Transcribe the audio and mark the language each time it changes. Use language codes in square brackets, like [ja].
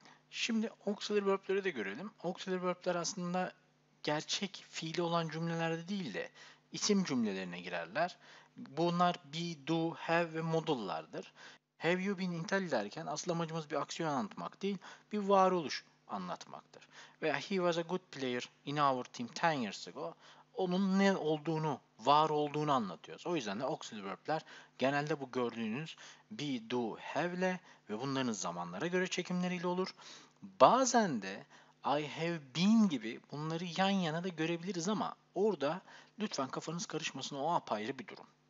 [tr] Şimdi auxiliary verb'leri de görelim. Auxiliary verb'ler aslında gerçek fiili olan cümlelerde değil de isim cümlelerine girerler. Bunlar be, do, have ve modullardır. [en] Have you been in Italy [tr] derken asıl amacımız bir aksiyon anlatmak değil, bir varoluş anlatmaktır. Veya [en] he was a good player in our team 10 years ago. [tr] Onun ne olduğunu, var olduğunu anlatıyoruz. O yüzden de auxiliary verb'ler genelde bu gördüğünüz be, do, have'le ve bunların zamanlara göre çekimleriyle olur. Bazen de [en] I have been [tr] gibi bunları yan yana da görebiliriz ama orada lütfen kafanız karışmasın, o apayrı bir durum.